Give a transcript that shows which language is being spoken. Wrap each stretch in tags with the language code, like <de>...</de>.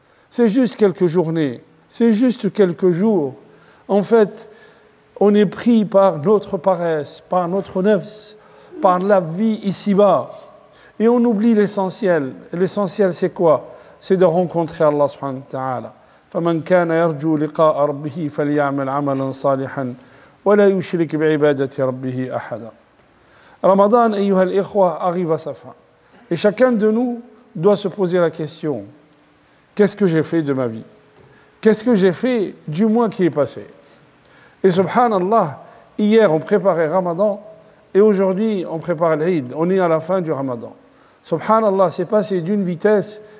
<fr>C'est juste quelques journées, c'est juste quelques jours. En fait, on est pris par notre paresse, par notre nefs, par la vie ici-bas. Et on oublie l'essentiel. Et l'essentiel, c'est quoi? C'est de rencontrer Allah subhanahu wa ta'ala.</fr> <ar>فَمَنْ كَانَ يَرْجُوا لِقَاءَ رَبِّهِ فَلْيَعْمَلْ عَمَلًا صَالِحًا وَلَا يُشْرِكْ بِعِبَادَةِ رَبِّهِ أَحَدًا Ramadan, ayyuha al-ikhwa,</ar> <fr>arrive à sa fin. Et chacun de nous doit se poser la question. Qu'est-ce que j'ai fait de ma vie? Qu'est-ce que j'ai fait du mois qui est passé? Et subhanallah, hier on préparait Ramadan et aujourd'hui on prépare l'Eid. On est à la fin du Ramadan. Subhanallah, c'est passé d'une vitesse.</fr>